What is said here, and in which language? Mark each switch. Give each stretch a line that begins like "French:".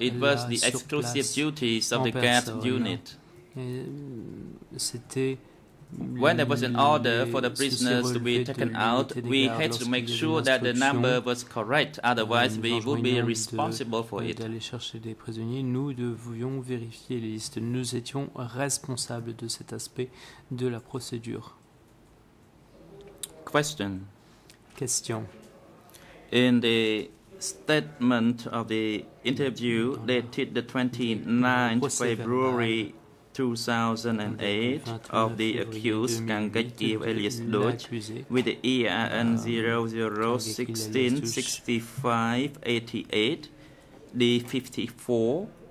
English: it was the exclusive duties of the guard unit.
French: C'était
English: when there was an order for the prisoners to be taken out, we had to make sure that the number was correct, otherwise we would be responsible for it.
French: D'aller chercher des prisonniers, nous devions vérifier les listes. Nous étions responsables de cet aspect de la procédure.
English: Question.
French: Question.
English: In the statement of the interview dated the 29th February 2008 of the accused Kang Gaekyeo alias Dutch with the EIN 00166588D54.